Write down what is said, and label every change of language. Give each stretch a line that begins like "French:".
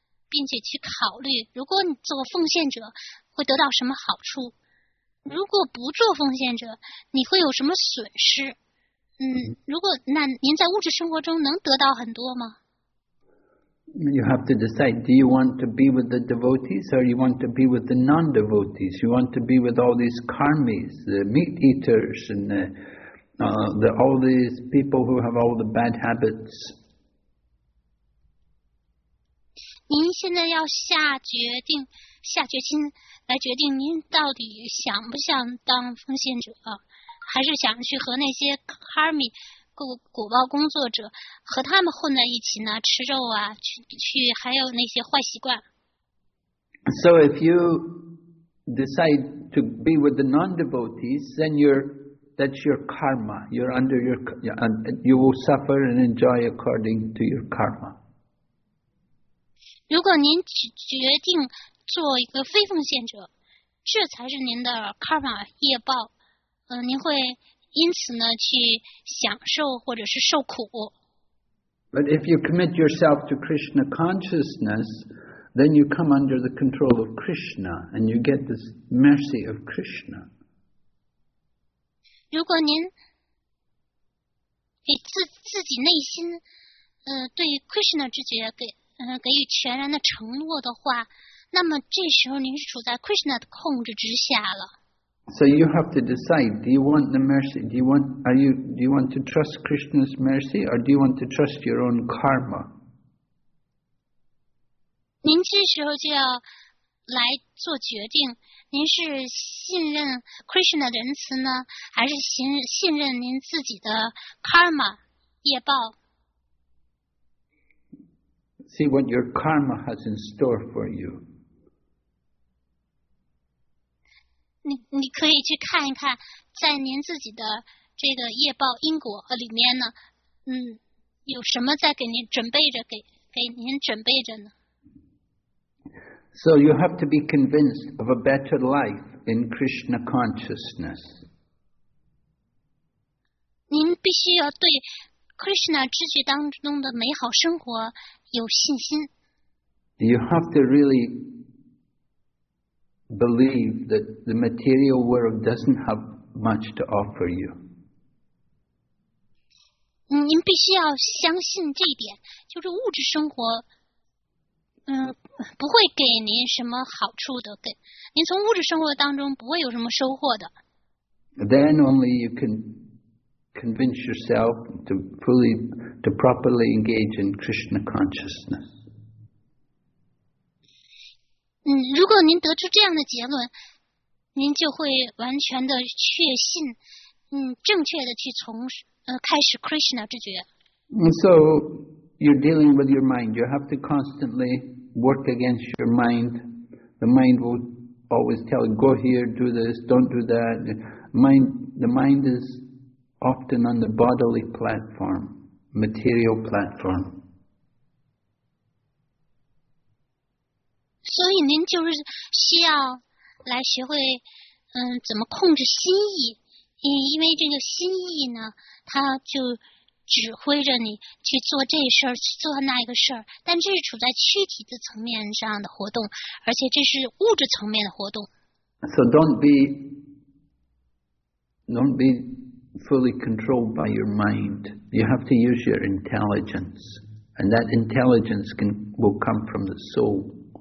Chinese: 并且去考虑，如果你做奉献者会得到什么好处，如果不做奉献者你会有什么损失。如果那您在物质生活中能得到很多吗？
English: You have to decide, do you want to be with the devotees or you want to be with the non-devotees? You want to be with all these karmis, the meat eaters and the all these people who have all the bad habits.
Chinese: 您现在要下决定，下决心来决定您到底想不想当奉献者，还是想去和那些 Karmi 古报工作者和他们混在一起呢？吃肉啊，去还有那些坏习惯。
English: So if you decide to be with the non-devotees, then that's your karma. You're under your, you will suffer and enjoy according to your karma.
Chinese: 如果您决定做一个非奉献者，这才是您的 karma 业报。您会因此呢去享受或者是受苦。
English: But if you commit yourself to Krishna consciousness, then you come under the control of Krishna and you get this mercy of Krishna.
Chinese: 如果您给自己内心，对 Krishna 之觉给予全然的承诺的话，那么这时候您是处在 Krishna 的控制之下了。
English: So you have to decide, do you want the mercy? Do you want to trust Krishna's mercy or do you want to trust your own karma?
Chinese: 您这时候就要来做决定，您是信任 Krishna 的仁慈呢，还是信任您自己的 karma 业报？
English: See what your karma has in store for you.
Chinese: 你可以去看一看，在您自己的这个业报因果里面呢，有什么在给您准备着，给您准备着呢？
English: So you have to be convinced of a better life in Krishna consciousness.
Chinese: 您必须要对 Krishna 知觉当中的美好生活有信心。
English: You have to really believe that the material world doesn't have much to offer you.
Chinese: 您必须要相信这一点，就是物质生活不会给您什么好处的，给您从物质生活当中不会有什么收获的。
English: Then only you can convince yourself to properly engage in Krishna consciousness.
Chinese: 如果您得出这样的结论，您就会完全的确信，正确的去从开始 Krishna 之觉。
English: So you're dealing with your mind. You have to constantly work against your mind. The mind will always tell you, "Go here, do this, don't do that." The mind is often on the bodily platform, material platform.
Chinese: 所以您就是需要来学会，怎么控制心意，因为这个心意呢，它就指挥着你去做这事儿，去做那个事儿。但这是处在躯体的层面上的活动，而且这是物质层面的活动。
English: So don't be fully controlled by your mind. You have to use your intelligence, and that intelligence will come from the soul.